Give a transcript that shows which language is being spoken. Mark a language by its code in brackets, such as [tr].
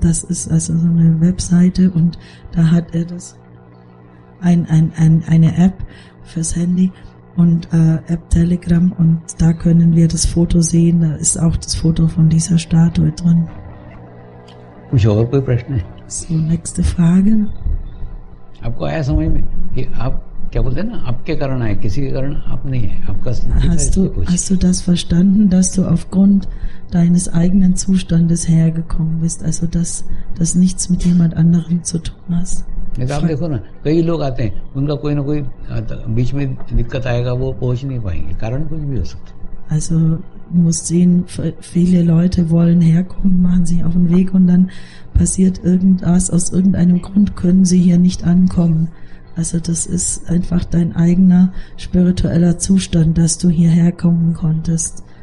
[de] Das ist also so eine Webseite und da hat er das eine App fürs Handy und App Telegram und da können wir das Foto sehen. Da ist auch das Foto von dieser Statue drin. [hi] Kuch aur koi prashn hai? [de] So, nächste Frage. [hi] Aapko aaya samajh mein ki aap क्या बोलते हैं ना आपके कारण आए किसी के कारण आप नहीं है आपका [de] hast du das verstanden dass du aufgrund deines eigenen Zustandes hergekommen bist also dass das nichts mit jemand anderem zu tun hast [hi] ne da देखो ना कई लोग आते हैं उनका कोई ना कोई बीच में दिक्कत आएगा वो पहुंच नहीं पाएंगे कारण कुछ भी हो सकता [de] also muss sehen viele Leute wollen herkommen machen sich auf den Weg und dann passiert irgendwas aus irgendeinem Grund können sie hier nicht ankommen. Also das ist einfach dein eigener spiritueller Zustand, dass du hierher kommen konntest.